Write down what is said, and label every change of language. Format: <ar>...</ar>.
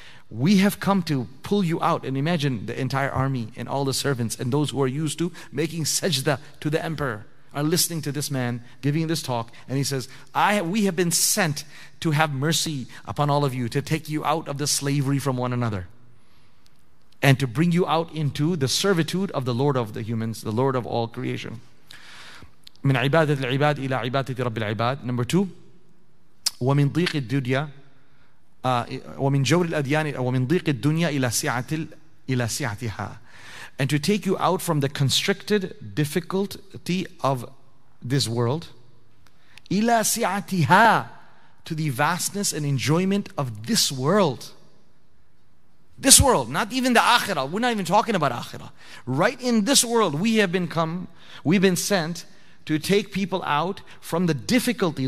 <en>We have come to pull you out, and imagine the entire army and all the servants and those who are used to making sajda to the emperor. are listening to this man giving this talk, and he says, we have been sent to have mercy upon all of you, to take you out of the slavery from one another, and to bring you out into the servitude of the Lord of the humans, the Lord of all creation.</en> <ar>من عبادة العباد إلى عبادة رب العباد.</ar> <en>Number two,</en> <ar>ومن ضيق الدنيا ومن جور الأديان ومن ضيق الدنيا إلى سعة إلى سعتها.</ar> <en>And to take you out from the constricted difficulty of this world,</en> <ar>إلى سعتها,</ar> <en>to the vastness and enjoyment of this world. This world, not even the Akhirah. We're not even talking about Akhirah. Right in this world, we've been sent to take people out from the difficulty.</en>